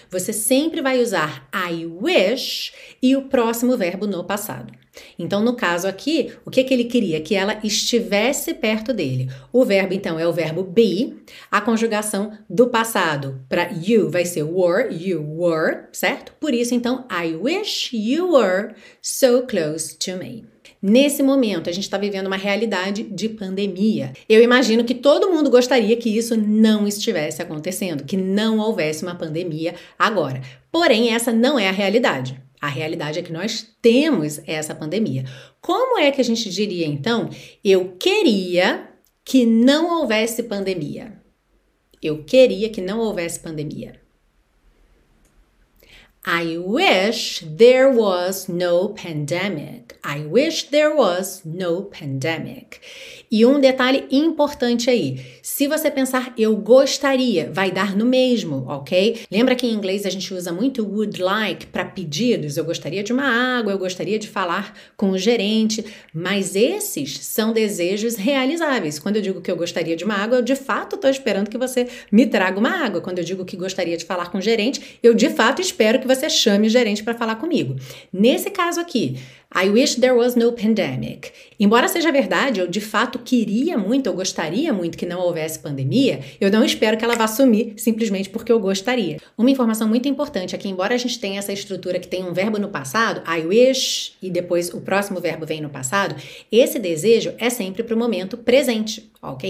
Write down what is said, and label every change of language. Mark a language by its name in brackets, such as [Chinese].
[Portuguese] Você sempre vai usar [English] I wish [Portuguese] e o próximo verbo no passado. Então, no caso aqui, o que que ele queria? Que ela estivesse perto dele. O verbo, então, é o verbo be. A conjugação do passado para you vai ser were, [English] you were, [Portuguese] certo? Por isso, então, [English] I wish you were so close to me. [Portuguese] Nesse momento, a gente está vivendo uma realidade de pandemia. Eu imagino que todo mundo gostaria que isso não estivesse acontecendo, que não houvesse uma pandemia agora. Porém, essa não é a realidade. A realidade é que nós temos essa pandemia. Como é que a gente diria, então, eu queria que não houvesse pandemia? Eu queria que não houvesse pandemia. [English] I wish there was no pandemic. I wish there was no pandemic. [Portuguese] E um detalhe importante aí: se você pensar eu gostaria, vai dar no mesmo, ok? Lembra que em inglês a gente usa muito [English] would like [Portuguese] para pedidos? Eu gostaria de uma água, eu gostaria de falar com o gerente, mas esses são desejos realizáveis. Quando eu digo que eu gostaria de uma água, eu de fato estou esperando que você me traga uma água. Quando eu digo que gostaria de falar com o gerente, eu de fato espero que você chame o gerente para falar comigo. Nesse caso aqui, [English] I wish there was no pandemic. [Portuguese] Embora seja verdade, eu de fato queria muito, eu gostaria muito que não houvesse pandemia, eu não espero que ela vá sumir simplesmente porque eu gostaria. Uma informação muito importante é que, embora a gente tenha essa estrutura que tem um verbo no passado, [English] I wish, [Portuguese] e depois o próximo verbo vem no passado, esse desejo é sempre para o momento presente, ok?